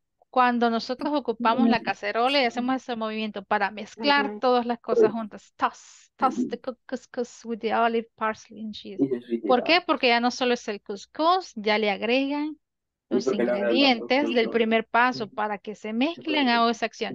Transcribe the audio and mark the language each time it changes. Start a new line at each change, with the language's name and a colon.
Spanish: Cuando nosotros ocupamos la cacerola y hacemos ese movimiento para mezclar todas las cosas juntas.
English: Toss, toss the couscous with the olive, parsley and cheese.
Spanish: ¿Por qué? Porque ya no solo es el couscous, ya le agregan los ingredientes del primer paso para que se mezclen, hago esa acción.